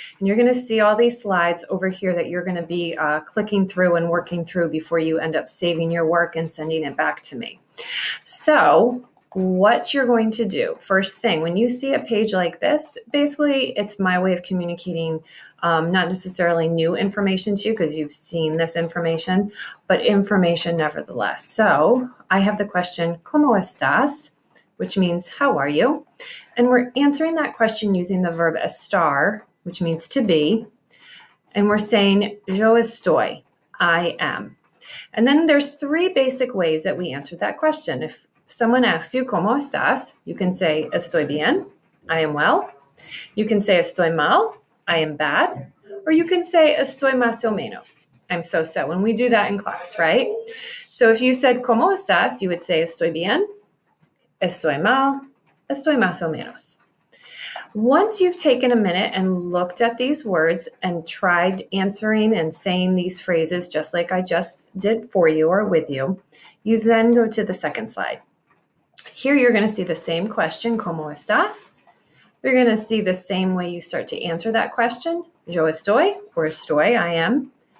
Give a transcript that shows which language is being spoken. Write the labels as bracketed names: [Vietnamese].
[English] And you're gonna see all these slides over here that you're gonna be clicking through and working through before you end up saving your work and sending it back to me. So what you're going to do, first thing, when you see a page like this, basically it's my way of communicating not necessarily new information to you because you've seen this information, but information nevertheless. So I have the question, [Spanish] ¿cómo estás? [English] Which means, how are you? And we're answering that question using the verb estar, which means to be. And we're saying, [Spanish] yo estoy, [English] I am. And then there's three basic ways that we answer that question. If someone asks you, [Spanish] ¿cómo estás? You can say, estoy bien, [English] I am well. You can say, [Spanish] estoy mal, [English] I am bad. Or you can say, [Spanish] estoy más o menos, [English] I'm so-so. And we do that in class, right? So if you said, [Spanish] ¿cómo estás? [English] You would say, [Spanish] estoy bien. Estoy mal, estoy más o menos. [English] Once you've taken a minute and looked at these words and tried answering and saying these phrases just like I just did for you or with you, you then go to the second slide. Here you're gonna see the same question, [Spanish] ¿cómo estás? [English] You're gonna see the same way you start to answer that question, [Spanish] yo estoy, [English] or estoy, I am.